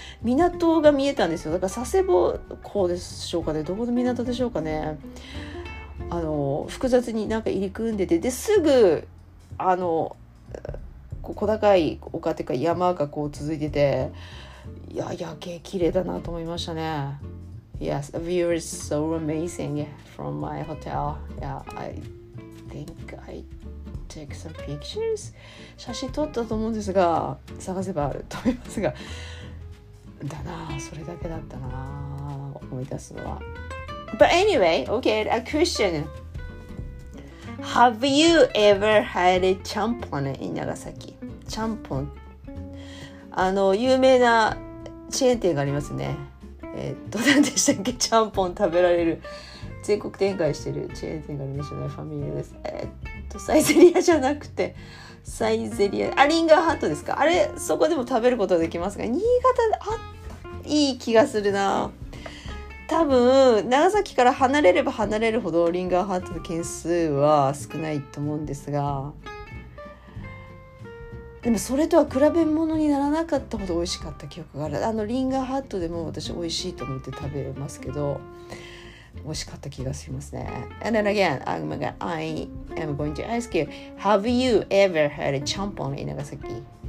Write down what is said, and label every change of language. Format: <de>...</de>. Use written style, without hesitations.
<ja>港が見えたんですよ。だから佐世保港でしょうかね。どこの港でしょうかね。あの複雑になんか入り組んでて、ですぐあの小高い丘というか山がこう続いてて、いや、夜景綺麗だなと思いましたね。</ja> <en>Yes, the view is so amazing from my hotel. Yeah, I think I took some pictures. 写真撮ったと思うんですが、探せばあると思いますが、</en> <ja>だな、それだけだったな、思い出すのは。</ja> <en>But anyway, okay, a question. Have you ever had a ちゃんぽん in Nagasaki?</en> <ja>ちゃんぽん、あの有名なチェーン店がありますね。何でしたっけ、ちゃんぽん食べられる全国展開してるチェーン店がありましたね、ファミリーです。サイゼリアじゃなくて、サイゼリア、アリンガーハットですか、あれ、そこでも食べることができますが、新潟で、あ、いい気がするな。多分長崎から離れれば離れるほどリンガーハットの件数は少ないと思うんですが、でもそれとは比べ物にならなかったほど美味しかった記憶がある。あのリンガーハットでも私美味しいと思って食べますけど、美味しかった気がしますね。</ja> <en>And then again, oh my god, I am going to ask you, have you ever had a ちゃんぽん in Nagasaki?</en>